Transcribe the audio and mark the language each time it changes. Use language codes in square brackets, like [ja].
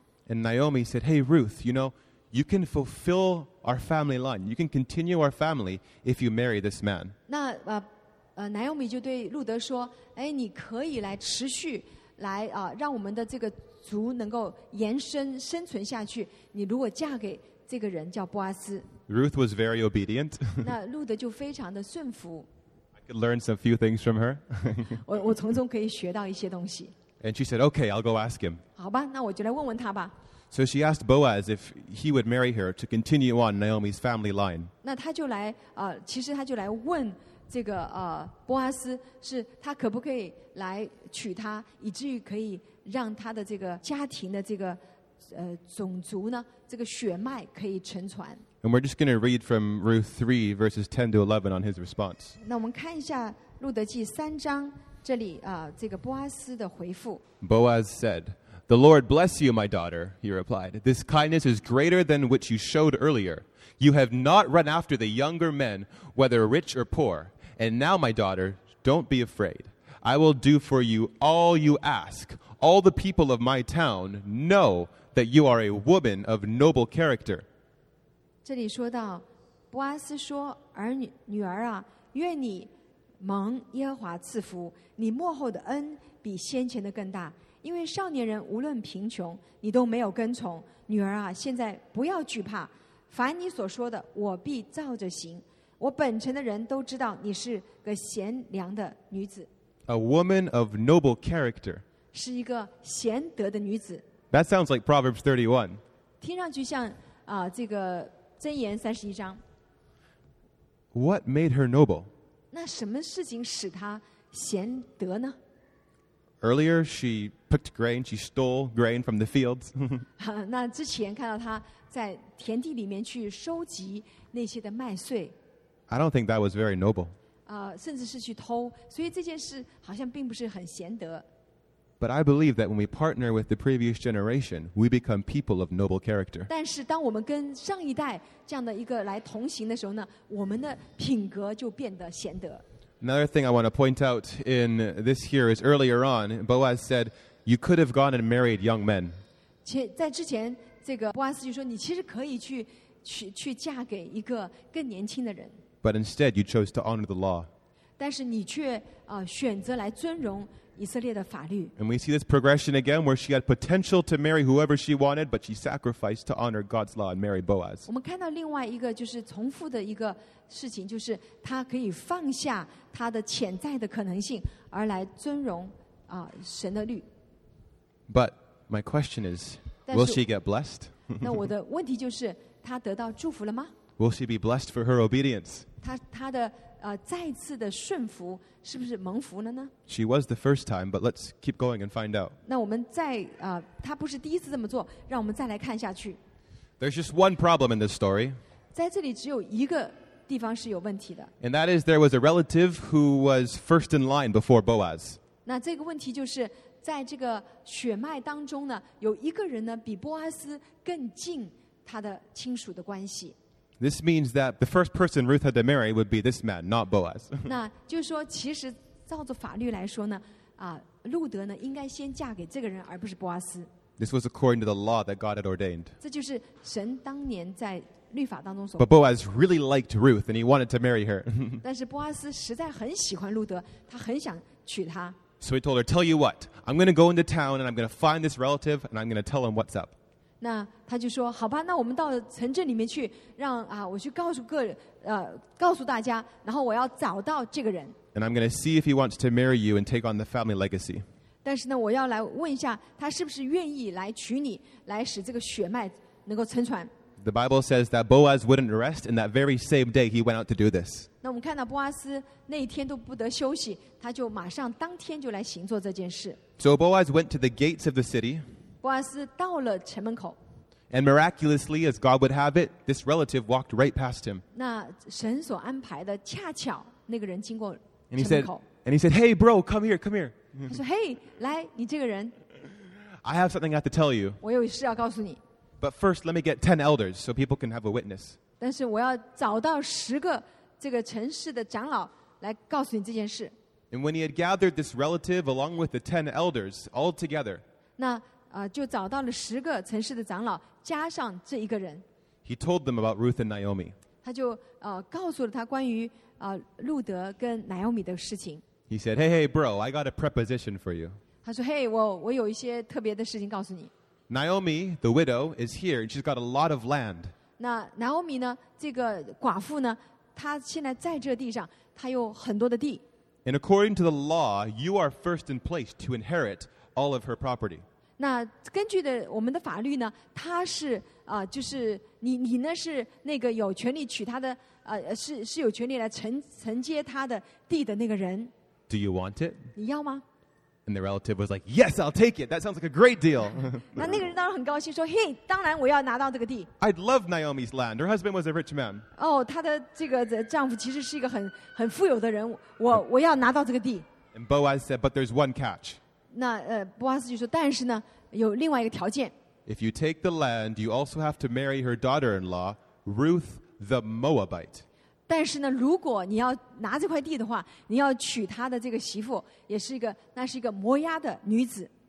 [en] And Naomi said, "Hey, Ruth, you know." You can fulfill our family line. You can continue our family if you marry this man. [zh] 那Naomi 就对路德说，哎，你可以来持续来让我们的这个族能够延伸生存下去。你如果嫁给这个人叫波阿斯。 [en] Ruth was very obedient. [zh] 那路德就非常的顺服。 [en] I could learn some few things from her. [zh] 我从中可以学到一些东西。 [en] And she said, "Okay, I'll go ask him." [zh] 好吧，那我就来问问他吧。 [en] So she asked Boaz if he would marry her to continue on Naomi's family line. [zh] 那他就来其实他就来问这个波阿斯，是他可不可以来娶她，以至于可以让他的这个家庭的这个种族呢，这个血脉可以承传。 [en] And we're just going to read from Ruth 3 verses 10 to 11 on his response. [zh] 那我们看一下路德记三章这里这个波阿斯的回复。 [en] Boaz said. The Lord bless you, my daughter, he replied. This kindness is greater than which you showed earlier. You have not run after the younger men, whether rich or poor. And now, my daughter, don't be afraid. I will do for you all you ask. All the people of my town know that you are a woman of noble character. [zh] 这里说到，波阿斯说，儿女女儿啊，愿你蒙耶和华赐福，你末后的恩比先前的更大。因为少年人无论贫穷，你都没有跟从。女儿啊，现在不要惧怕，凡你所说的，我必照着行。我本城的人都知道你是个贤良的女子。 [en] A woman of noble character. [zh] 是一个贤德的女子。 [en] That sounds like Proverbs 31. [zh] 听上去像这个箴言三十一章。 [en] What made her noble? [zh] 那什么事情使她贤德呢？ [en] Earlier, she picked grain, she stole grain from the fields. [zh] 那之前看到她在田地里面去收集那些的麦穗。 [en] I don't think that was very noble. [zh] 甚至是去偷，所以这件事好像并不是很贤德。 [en] But I believe that when we partner with the previous generation, we become people of noble character. [zh] 但是当我们跟上一代这样的一个来同行的时候呢，我们的品格就变得贤德。 [en] Another thing I want to point out in this here is earlier on, Boaz said, you could have gone and married young men. [zh] 在之前，这个波阿斯就说，你其实可以去嫁给一个更年轻的人。 [en] But instead, you chose to honor the law. [zh] 但是你却选择来尊荣以色列的法律。 [en] And we see this progression again, where she had potential to marry whoever she wanted, but she sacrificed to honor God's law and marry Boaz. [zh] 我们看到另外一个就是重复的一个事情，就是她可以放下她的潜在的可能性，而来尊荣神的律。 [en] But my question is, will she get blessed? [zh] 那我的问题就是，她得到祝福了吗？ [en] Will she be blessed for her obedience? [zh] 她的再次的顺服是不是蒙福了呢？ [en] She was the first time, but let's keep going and find out. [zh] 那我们再她不是第一次这么做，让我们再来看下去。 [en] There's just one problem in this story. [zh] 在这里只有一个地方是有问题的。 [en] And that is there was a relative who was first in line before Boaz. [zh] 那这个问题就是在这个血脉当中呢，有一个人呢比波阿斯更近他的亲属的关系。 [en] This means that the first person Ruth had to marry would be this man, not Boaz. [zh] 那就是说，其实照着法律来说呢，路德呢应该先嫁给这个人，而不是波阿斯。 [en] This was according to the law that God had ordained. [zh] 这就是神当年在律法当中所。 [en] But Boaz really liked Ruth, and he wanted to marry her. [zh] 但是波阿斯实在很喜欢路德，他很想娶她。 [en] So he told her, "Tell you what, I'm going to go into town, and I'm going to find this relative, and I'm going to tell him what's up." [zh] 那他就说好吧那我们到城镇里面去让啊我去告诉各告诉大家然后我要找到这个人 [en] And I'm going to see if he wants to marry you and take on the family legacy. [zh] 但是呢我要来问一下他是不是愿意来娶你来使这个血脉能够承传 [en] The Bible says that Boaz wouldn't rest and that very same day he went out to do this. [zh] 那我们看到波阿斯那一天都不得休息他就马上当天就来行做这件事 [en] So Boaz went to the gates of the city. [zh] 波阿斯到了城门口 [en] And miraculously, as God would have it, this relative walked right past him. [zh] 那神所安排的恰巧那个人经过城门口 [en] And he said, hey, bro, come here, come here. [zh] 他说 hey, 来你这个人 [en] I have something I have to tell you. [zh] 我有事要告诉你 [en] But first, let me get 10 elders so people can have a witness. [zh] 但是我要找到十个这个城市的长老来告诉你这件事 [en] And when he had gathered this relative along with the 10 elders all together, [zh] 那就找到了十个城市的长老加上这一个人 [en] He told them about Ruth and Naomi [zh] 他就告诉了他关于路德跟 Naomi 的事情 [en] He said, hey, hey, bro, I got a preposition for you [zh] 他说 hey, 我有一些特别的事情告诉你 [en] Naomi, the widow, is here and she's got a lot of land [zh] 那 Naomi 呢这个寡妇呢她现在在这地上她有很多的地 [en] And according to the law, you are first in place to inherit all of her property [zh] 那根据的我们的法律呢他是就是你呢是那个有权利娶他的是有权利来承接他的地的那个人 [en] Do you want it? [zh] 你要吗 [en] And the relative was like, yes, I'll take it. That sounds like a great deal. [zh] 那个人当然很高兴说 hey, 当然我要拿到这个地 [en] I'd love Naomi's land. Her husband was a rich man. [zh] 哦他的这个丈夫其实是一个很富有的人我要拿到这个地 [en] And Boaz said, but there's one catch. [zh] 那波阿斯就说但是呢有另外一个条件 [en] If you take the land you also have to marry her daughter-in-law Ruth the Moabite [zh] 但是呢如果你要拿这块地的话你要娶她的这个媳妇也是一个那是一个摩押的女子